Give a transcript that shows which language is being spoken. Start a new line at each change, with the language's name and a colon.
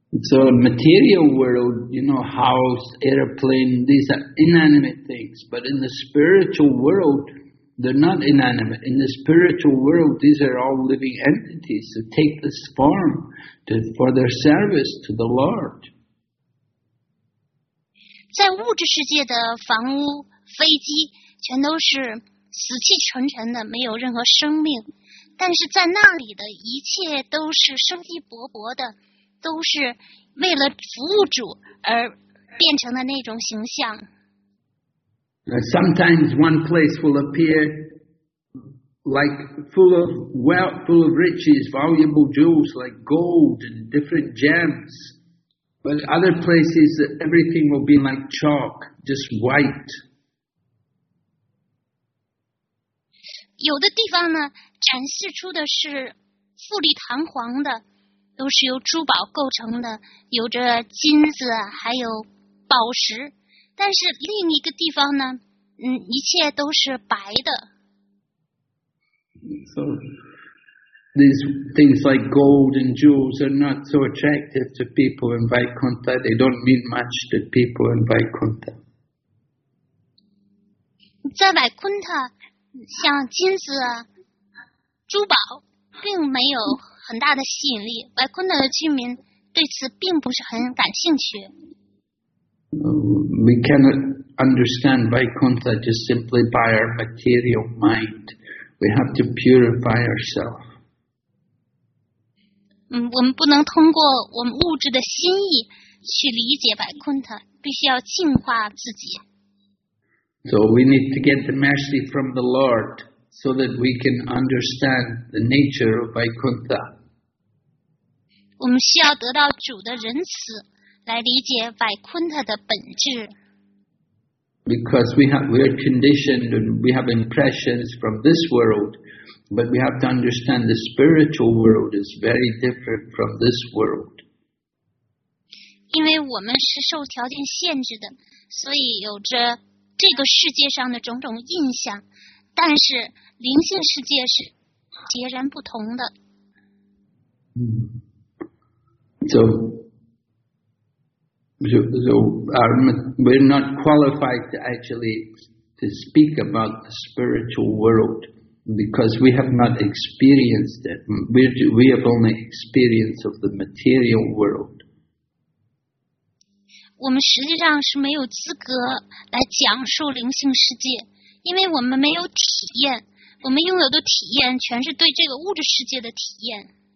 English: So material world, you know, house, airplane, these are inanimate things. But in the spiritual world, they're not inanimate. In the spiritual world, these are all living entities that take this form for their service to the Lord.
Chinese: 在物质世界的房屋、飞机全都是死气沉沉的，没有任何生命。但是在那里的一切都是生机勃勃的，都是为了服务主而变成的那种形象。
English: Sometimes one place will appear like full of wealth, full of riches, valuable jewels like gold and different gems. But other places, everything will be like chalk, just white.
Chinese: 有的地方呢，展示出的是富丽堂皇的，都是由珠宝构成的，有着金子还有宝石。但是另一个地方呢，一切都是白的。
English: So these things like gold and jewels are not so attractive to people in Vaikuntha. They don't mean much to people in Vaikuntha.
Chinese: 在百昆特。像金子、珠宝，并没有很大的吸引力。白昆特的居民对此并不是很感兴趣。
English: We cannot understand Vaikuntha just simply by our material mind. We have to purify ourselves.
Chinese: 我们不能通过我们物质的心意去理解白昆特，必须要净化自己。
English: So we need to get the mercy from the Lord so that we can understand the nature of Vaikuntha.
Chinese: 我们需要得到主的仁慈来理解 Vaikuntha 的本质。
English: Because we are conditioned and we have impressions from this world, but we have to understand the spiritual world is very different from this world.
Chinese: 因为我们是受条件限制的，所以有着这个世界上的种种印象，但是灵性世界是截然不同的。
English: So we're not qualified to actually to speak about the spiritual world because we have not experienced it. We have only experience of the material world.
Chinese: 我们实际上是没有资格来讲述灵性世界，因为我们没有体验，我们拥有的体验全是对这个物质世界的体验。